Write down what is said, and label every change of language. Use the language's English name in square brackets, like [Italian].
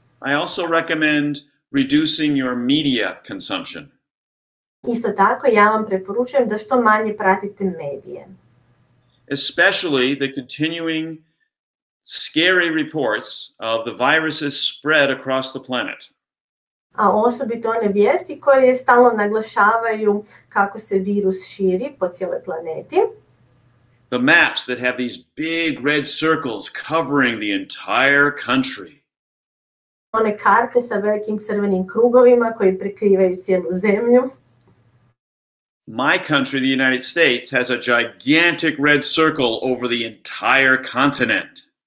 [English] I also recommend reducing your media consumption. [Croatian] Isto tako, ja vam preporučujem da što manje pratite medije. [English] Especially the continuing scary reports of the viruses spread across the planet. [Croatian] A osobito one vijesti koje stalno naglašavaju kako se virus širi po cijeloj planeti. [English] The maps that have these big red circles covering the entire country. [Croatian] One karte sa velikim crvenim krugovima koji prekrivaju cijelu zemlju. [English] My country, the United States, has a gigantic red circle over the entire continent.